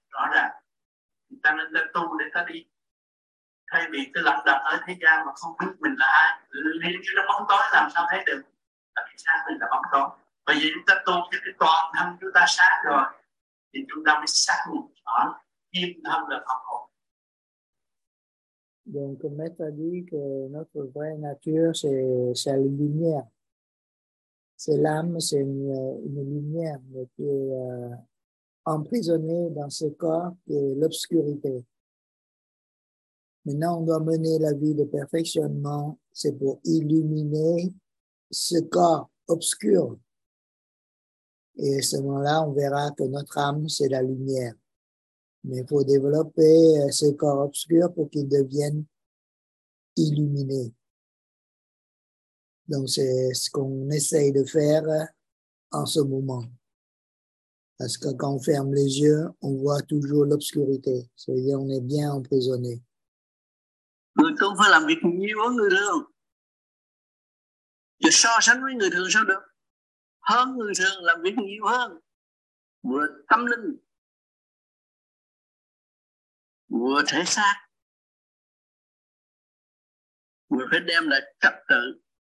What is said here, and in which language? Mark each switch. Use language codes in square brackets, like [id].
[vi] Rõ ràng ta nên ta tu để ta đi, thay vì cứ lặng lặng ở thế gian mà không biết mình là ai, liên như nó bóng tối làm sao thấy được. Thầy xác mình là bóng tối, bởi vì chúng ta tu cho cái toàn thân chúng ta sáng rồi thì chúng ta mới xác nhận rõ kim thân là Phật hồn. [fr] Donc, le maître a dit que notre vraie nature, c'est la lumière. C'est l'âme, c'est une lumière mais qui est emprisonnée dans ce corps qui est l'obscurité. Maintenant, on doit mener la vie de perfectionnement, c'est pour illuminer ce corps obscur. Et à ce moment-là, on verra que notre âme, c'est la lumière. Mais il faut développer ce corps obscur pour qu'il devienne illuminé. Donc, c'est ce qu'on essaye de faire en ce moment. Parce que quand on ferme les yeux, on voit toujours l'obscurité. C'est-à-dire qu'on est bien emprisonné. [vi] Người tu phải làm việc nhiều hơn người thường. Giờ so sánh với người thường sao được? Hơn người thường làm việc nhiều hơn. Vừa tâm linh, vừa thể xác, vừa phải đem lại trật tự.